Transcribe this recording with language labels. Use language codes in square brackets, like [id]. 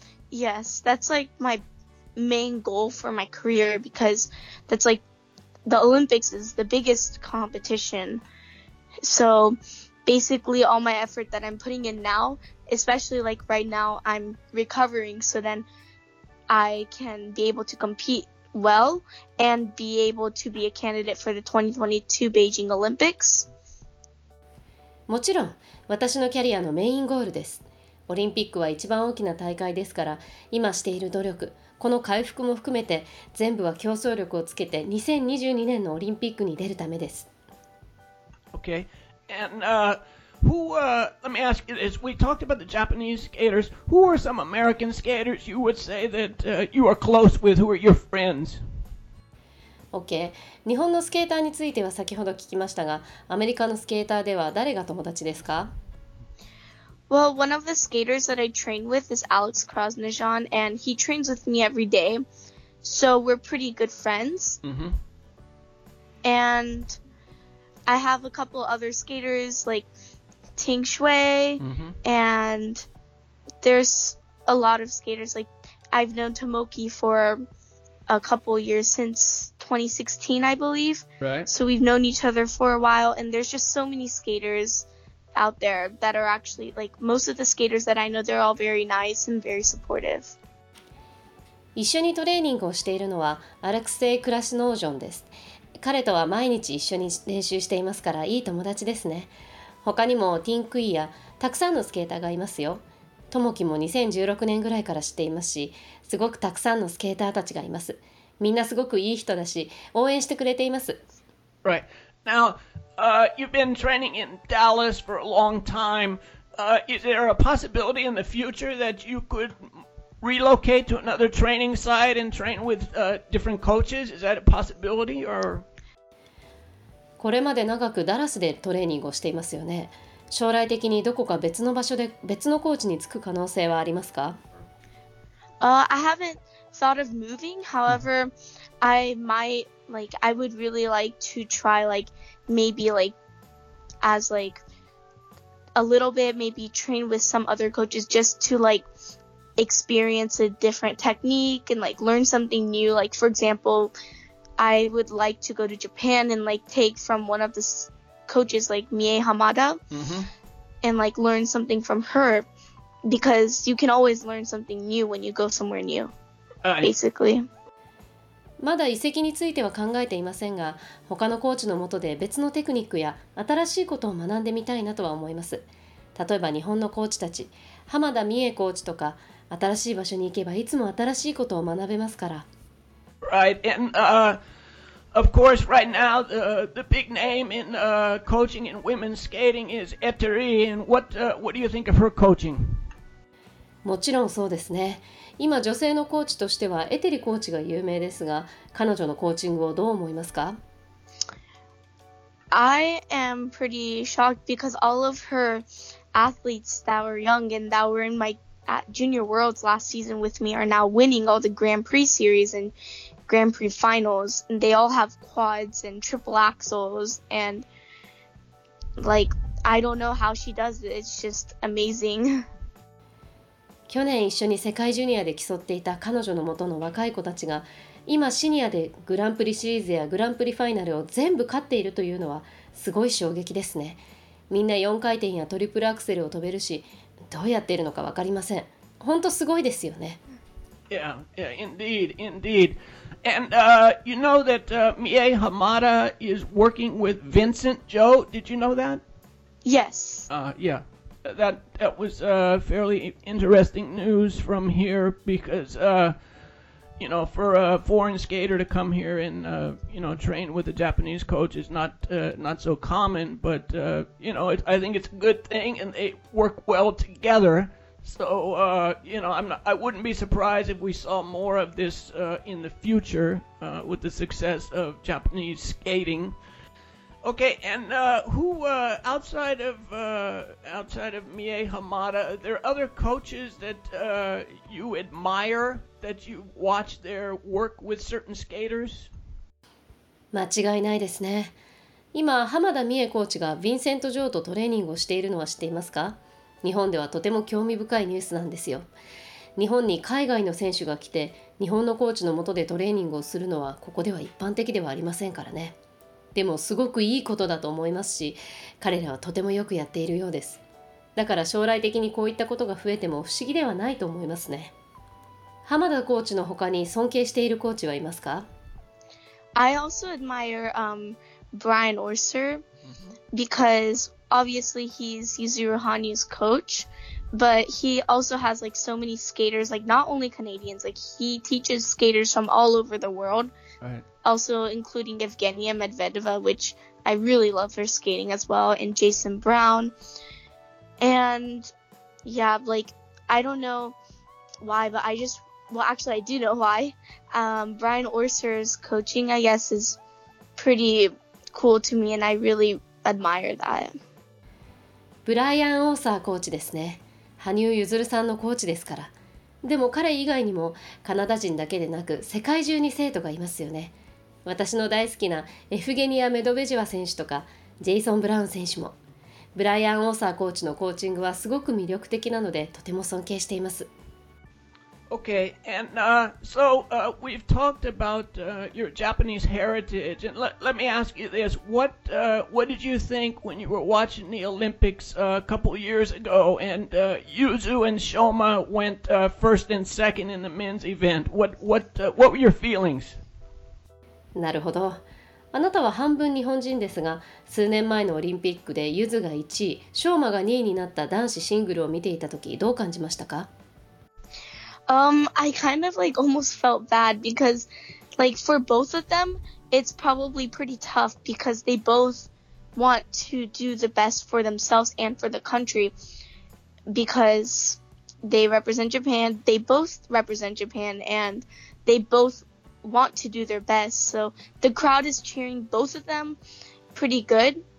[en] Yes, that's like my main goal for my career, because that's like the Olympics is the biggest competition. So basically all my effort that I'm putting in now, especially like right now I'm recovering, so then I can be able to compete well and be able to be a candidate for the 2022 Beijing Olympics. [ja] もちろん私のキャリアのメインゴールです。オリンピックは一番大きな大会ですから、今している努力、この回復も含めて、全部は競争力をつけて2022年のオリンピックに出るためです。 [en] Okay. And, let me ask you this. We talked about the Japanese skaters. Who are some American skaters you would say that, you are close with? Who are your friends? Okay. [ja] 日本のスケーターについては先ほど聞きましたが、アメリカのスケーターでは誰が友達ですか？ [en] Well, one of the skaters that I train with is Alex Krasnajan, and he trains with me every day, so we're pretty good friends. Mm-hmm. And I have a couple other skaters like Ting Shui, and there's a lot of skaters. Like I've known Tomoki for a couple years since 2016, I believe. Right. So we've known each other for a while, and there's just so many skaters. Out there that are actually like most of the skaters that I know, they're all very nice and very supportive. [ja] 一緒にトレーニングをしているのはアレクセイ・クラシノージョンです。彼とは毎日一緒に練習していますから、いい友達ですね。他にもティンクイやたくさんのスケーターがいますよ。トモキも2016年ぐらいから知っていますし、すごくたくさんのスケーターたちがいます。みんなすごくいい人だし、応援してくれています。 [en] Right. Now, you've been training in Dallas for a long time. Is there a possibility in the future that you could relocate to another training site and train with different coaches? Is that a possibility? Or? [ja] これまで長くダラスでトレーニングをしていますよね。将来的にどこか別の場所で別のコーチに就く可能性はありますか？ [en] I haven't thought of moving. However, I might... Like, I would really like to try, like, maybe, like, as, like, a little bit, maybe train with some other coaches just to like experience a different technique and like learn something new. Like, for example, I would like to go to Japan and like take from one of the coaches, like Mie Hamada, and like learn something from her, because you can always learn something new when you go somewhere new, basically. [ja] まだ移籍については考えていませんが、他のコーチの下で別のテクニックや新しいことを学んでみたいなとは思います。例えば日本のコーチたち、浜田美恵コーチとか、新しい場所に行けばいつも新しいことを学べますから。 [en] Right, and of course right now the big name in coaching in women's skating is Ettore, and what do you think of her coaching? [ja] もちろんそうですね。今女性のコーチとしてはエテリコーチが有名ですが、彼女のコーチングをどう思いますか？ [en] I am pretty shocked because all of her athletes that were young and that were in my junior worlds last season with me are now winning all the Grand Prix series and Grand Prix finals. And they all have quads and triple axles and like, I don't know how she does it. It's just amazing. [ja] 去年一緒に世界ジュニアで競っていた彼女の元の若い子たちが今シニアでグランプリシリーズやグランプリファイナルを全部勝っているというのはすごい衝撃ですね。みんな4回転やトリプルアクセルを飛べるし、どうやっているのか分かりません。本当すごいですよね。 [en] Yeah, indeed, indeed. And you know that Mie Hamada is working with Vincent Joe, did you know that? Yes. Yeah. That was fairly interesting news from here because, you know, for a foreign skater to come here and, you know, train with a Japanese coach is not so common. But, you know, I think it's a good thing and they work well together. So, you know, I wouldn't be surprised if we saw more of this in the future with the success of Japanese skating. Okay, and who outside of Mie Hamada, are there other coaches that you admire, that you watch their work with certain skaters? [ja] 間違いないですね。今、浜田美恵コーチがヴィンセント・ジョーとトレーニングをしているのは知っていますか？日本ではとても興味深いニュースなんですよ。日本に海外の選手が来て、日本のコーチの下でトレーニングをするのはここでは一般的ではありませんからね。でもすごくいいことだと思いますし、彼らはとてもよくやっているようです。だから将来的にこういったことが増えても不思議ではないと思いますね。浜田コーチの他に尊敬しているコーチはいますか？ [en] I also admire Brian Orser because obviously he's Yuzuru Hanyu's coach, but he also has like so many skaters, like not only Canadians, like he teaches skaters from all over the world. Right. Also including Evgenia Medvedeva, which I really love her skating as well, and Jason Brown. And yeah, like, I don't know why, but I just, well, actually I do know why. Brian Orser's coaching, I guess, is pretty cool to me, and I really admire that. [ja] Brian Orser コーチですね。羽生結弦さんのコーチですから。でも彼以外にもカナダ人だけでなく世界中に生徒がいますよね。私の大好きなエフゲニア・メドベジワ選手とかジェイソン・ブラウン選手もブライアン・オーサーコーチのコーチングはすごく魅力的なのでとても尊敬しています。 [en] Okay, and so we've talked about your Japanese heritage, and let me ask you this, what did you think when you were watching the Olympics a couple years ago and Yuzu and Shoma went first and second in the men's event, what were your feelings? [ja] なるほど。あなたは半分日本人ですが、数年前のオリンピックでユズが1位、ショーマが2位になった男子シングルを見ていたとき、どう感じましたか？ [en] I kind of like almost felt bad because like for both of them, it's probably pretty tough because they both want to do the best for themselves and for the country because they represent Japan, they both represent Japan and they bothwant to do their best, so the crowd is cheering both of them pretty good.